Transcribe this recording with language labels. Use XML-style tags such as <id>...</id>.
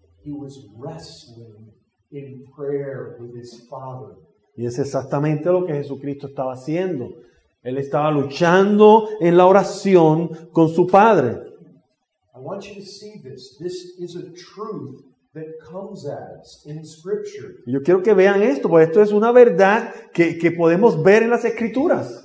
<en>He was wrestling in prayer with his Father.</en> <es>Y es exactamente lo que Jesucristo estaba haciendo. Él estaba luchando en la oración con su Padre.</es> <en>I want you to see this. This is a truth that comes at us in Scripture.</en> <es>Yo quiero que vean esto, porque esto es una verdad que podemos ver en las Escrituras.</es>